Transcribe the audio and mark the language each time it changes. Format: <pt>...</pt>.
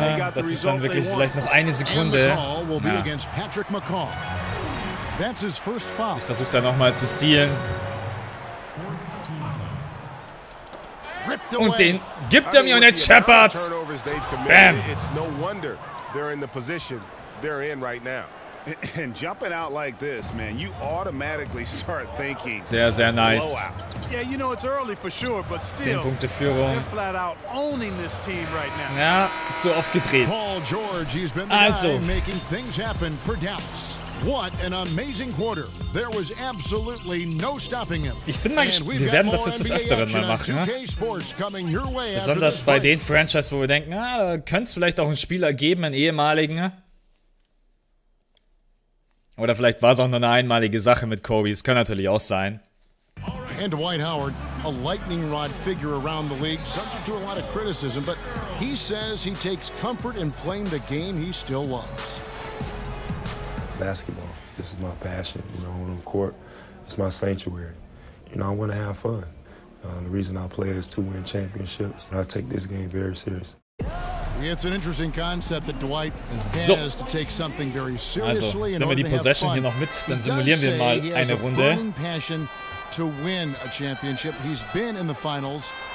<de>Das ist dann wirklich vielleicht noch eine Sekunde. Ja. Ich versuche da nochmal zu stehlen. Und den gibt er mir und er scheppert. Bam.</de> <en>It's no wonder they're in the position they're in right now. And jumping out like this, man, you automatically start thinking.</en> <de>Sehr, sehr nice.</de> <en>Yeah, you know it's early for sure, but still.</en> <de>10 Punkte Führung.</de> <en>Flat out owning this team right now.</en> <de>Ja, zu oft gedreht.</de> <en>Paul George, he's been the guy making things happen for Dallas. What an amazing quarter. There was absolutely no stopping him.</en> <de>Ich bin mal gespannt, wir werden das jetzt des Öfteren mal machen. Ne? Besonders bei den Franchise, wo wir denken, ah, da könnte es vielleicht auch einen Spieler geben, einen ehemaligen. Oder vielleicht war es auch nur eine einmalige Sache mit Kobe. Es kann natürlich auch sein.</de> <en>And Dwight Howard, a lightning rod figure around the league, subject to a lot of criticism, but he says he takes comfort in playing the game he still loves. Basketball. This is my passion. You know, on the court, it's my sanctuary. You know, I want to have fun. The reason I play is to win championships. And I take this game very serious. It's an interesting concept that Dwight has to take something very seriously.</en> <de>Also, sehen wir die Possession hier noch mit, dann simulieren wir mal eine Runde.</de> <en>To win a championship, he's been in the finals.</en>